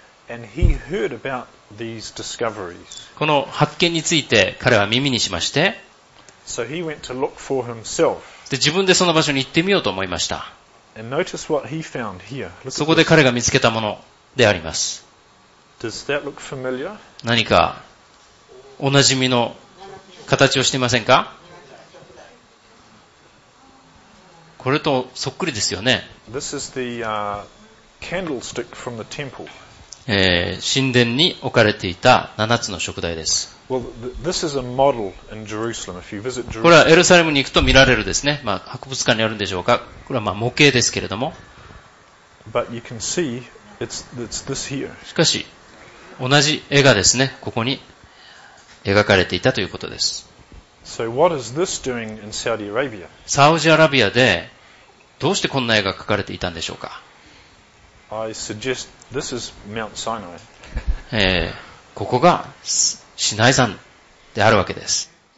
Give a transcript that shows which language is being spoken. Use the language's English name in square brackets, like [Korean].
[English] And he heard about these discoveries. [Japanese] この発見について彼は耳にしまして、 [English] So he went to look for himself. [Japanese] で、自分でその場所に行ってみようと思いました。 [English] And notice what he found here. [Japanese] そこで彼が見つけたものであります。 [English] Does that look familiar? [Japanese] 何かおなじみの形をしていませんか? これとそっくりですよね。 [English] This is the, candlestick from the temple. [Japanese] 神殿に置かれていた7つの燭台です。 [English] Well, this is a model in Jerusalem. If you visit Jerusalem. [Japanese] これはエルサレムに行くと見られるですね。まあ、博物館にあるんでしょうか。これはまあ模型ですけれども。 [English] But you can see it's this here. [Japanese] しかし、同じ絵がですね、ここに描かれていたということです。 [English] So what is this doing in Saudi Arabia? [Japanese] サウジアラビアでどうしてこんな絵が描かれていたんでしょうか? [English] I suggest this is Mount Sinai. [Japanese] ここがシナイ山であるわけです。